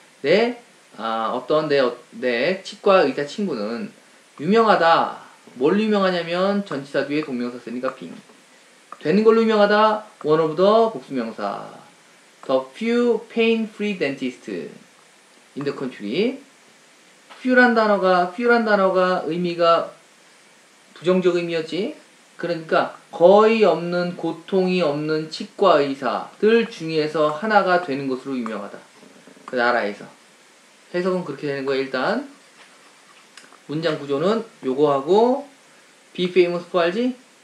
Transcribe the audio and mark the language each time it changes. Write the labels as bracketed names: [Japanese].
[Korean] 내, 어떤 내 치과 의사 친구는 유명하다. 뭘 유명하냐면 전치사 뒤에 동명사 쓰니까 빙. 되는 걸로 유명하다. [English] one of the [Korean] 복수명사. [English] the few pain-free dentists in the country. [Korean] few란 단어가 의미가 부정적 의미였지. 그러니까 거의 없는 고통이 없는 치과 의사들 중에서 하나가 되는 것으로 유명하다. 그 나라에서. 해석은 그렇게 되는 거야. 일단 문장 구조는 요거하고 be famous for 알지?